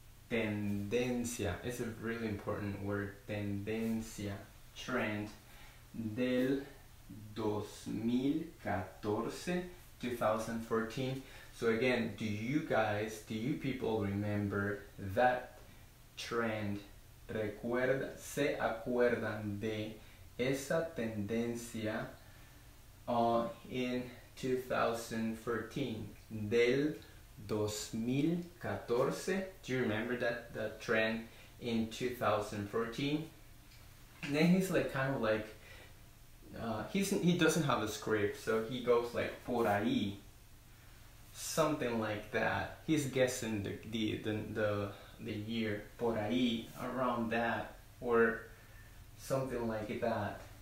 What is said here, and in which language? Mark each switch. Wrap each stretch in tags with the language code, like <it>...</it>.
<en>Tendencia. It's a really important word. Tendencia. Trend del 2014, 2014. So again, do you people remember that trend?</en> <es>Se acuerdan de esa tendencia in 2014, del 2014.</es> <en>Do you remember that trend in 2014? And then he's like, kind of like, he doesn't have a script, so he goes like</en> <es>por ahí,</es> <en>something like that. He's guessing the year,</en> <es>por ahí,</es> <en>around that, or something like that.</en>